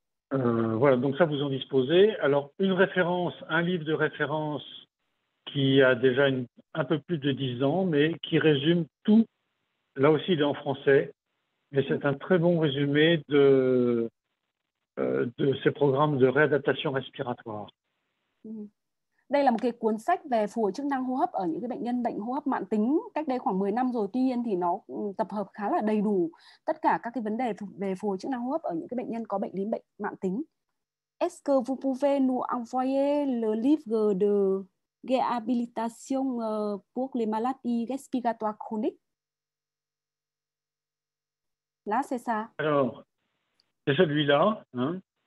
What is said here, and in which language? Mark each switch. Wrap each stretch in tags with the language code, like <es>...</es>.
<fr>Voilà, donc ça vous en disposez. Alors une référence, un livre de référence qui a déjà un peu plus de 10 ans, mais qui résume tout. Là aussi, il est en français, mais c'est un très bon résumé de ces programmes de réadaptation respiratoire.</fr> <vi>Đây là một cái cuốn sách về phục hồi chức năng hô hấp ở những cái bệnh nhân bệnh hô hấp mạn tính cách đây khoảng 10 năm rồi. Tuy nhiên thì nó tập hợp khá là đầy đủ tất cả các cái vấn đề về phục hồi chức năng hô hấp ở những cái bệnh nhân có bệnh lý bệnh mạn tính.</vi> <fr>Est-ce que vous pouvez nous envoyer le livre de réhabilitation pour les maladies respiratoires chroniques? Là, c'est ça. Alors, c'est celui-là. Hein.</fr>